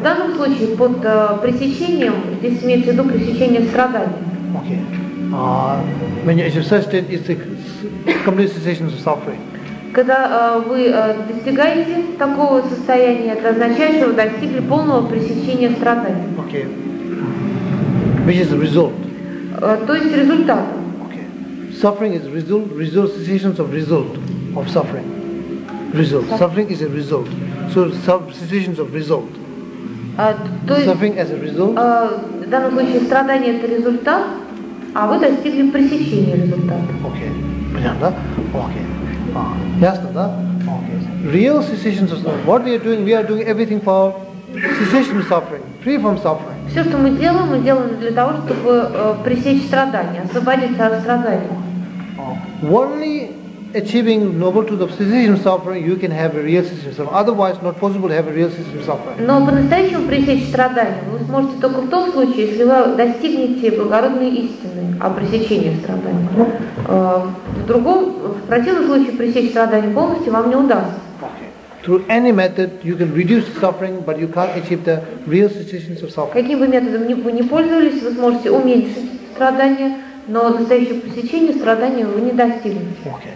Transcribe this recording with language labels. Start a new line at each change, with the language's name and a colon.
Russian: В данном случае под пресечением здесь имеется в виду пресечение страданий.
English: Okay. When you assess it, it's the complete cessation of suffering.
Russian: Когда вы достигаете такого состояния, это означает, что вы достигли полного пресечения страданий.
English: Okay. Which is the result?
Russian: То есть результат.
English: Okay. Suffering is result cessations of result of suffering. Result. Suffering is a result. So cessations of result. Suffering as a result.
Russian: В данном случае страдание это результат, а вы достигли пресечения результата. Okay. Понятно? Okay. Ясно, да? Okay.
English: Real cessations of suffering. What we are doing everything for cessation of suffering, free from suffering.
Russian: Все, что мы делаем для того, чтобы пресечь страдания, освободиться от страданий.
English: Only achieving noble truth of cessation of suffering, you can have a real cessation of suffering. Otherwise, not possible to have a real cessation of suffering.
Russian: Но по-настоящему пресечь страдания вы сможете только в том случае, если вы достигнете благородной истины о пресечении страданий. В противном случае пресечь страдания полностью вам не удастся.
English: Through any method, you can reduce suffering, but you can't achieve the real cessation of suffering.
Russian: Каким бы методом вы ни пользовались, вы сможете уменьшить страдания, но настоящее пресечение страдания вы не достигнете.